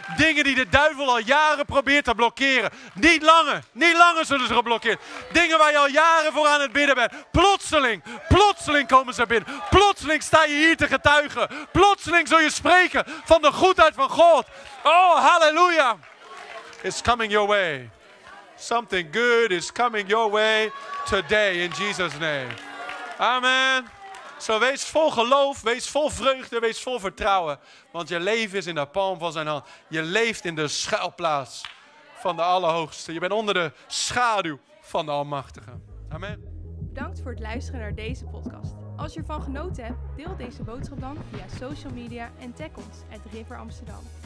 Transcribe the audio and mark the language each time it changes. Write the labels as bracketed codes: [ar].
[nl] Dingen die de duivel al jaren probeert te blokkeren. Niet langer. Niet langer zullen ze geblokkeerd. Dingen waar je al jaren voor aan het bidden bent. Plotseling. Plotseling komen ze binnen. Plotseling sta je hier te getuigen. Plotseling zul je spreken van de goedheid van God. [en] Oh, halleluja. It's coming your way. Something good is coming your way today in Jesus' name. [nl] Amen. Zo wees vol geloof, wees vol vreugde, wees vol vertrouwen. Want je leven is in de palm van zijn hand. Je leeft in de schuilplaats van de Allerhoogste. Je bent onder de schaduw van de Almachtige. Amen. Bedankt voor het luisteren naar deze podcast. Als je ervan genoten hebt, deel deze boodschap dan via social media en tag ons @River Amsterdam.